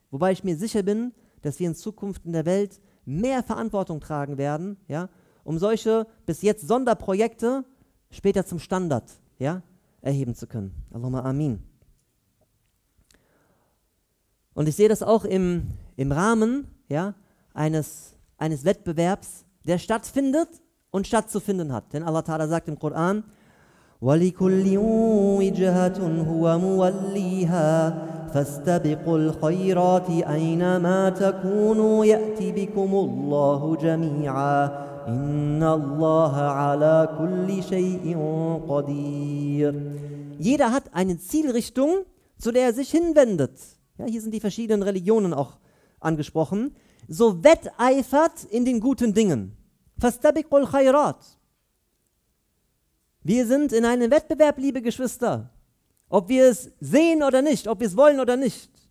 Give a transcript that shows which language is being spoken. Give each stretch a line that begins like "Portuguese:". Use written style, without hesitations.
German: Wobei ich mir sicher bin, dass wir in Zukunft in der Welt mehr Verantwortung tragen werden, ja, um solche bis jetzt Sonderprojekte später zum Standard, ja, erheben zu können. Allahumma amin. Und ich sehe das auch im Rahmen, ja, eines Wettbewerbs, der stattfindet und stattzufinden hat. Denn Allah Ta'ala sagt im Koran,
Arabic: وَلِكُلِّ وِجْهَةٌ هُوَ مُوَلِّيهَا فَاسْتَبِقُوا الْخَيْرَاتِ أَيْنَمَا تَكُونُوا يَأْتِ بِكُمُ اللَّهُ جَمِيعًا إِنَّ اللَّهَ عَلَى كُلِّ شَيْءٍ قَدِيرٌ.
German: Jeder hat eine Zielrichtung, zu der er sich hinwendet. Ja, hier sind die verschiedenen Religionen auch angesprochen. So wetteifert in den guten Dingen.
Arabic: فَاسْتَبِقُوا الْخَيْرَاتِ.
German: Wir sind in einem Wettbewerb, liebe Geschwister. Ob wir es sehen oder nicht, ob wir es wollen oder nicht.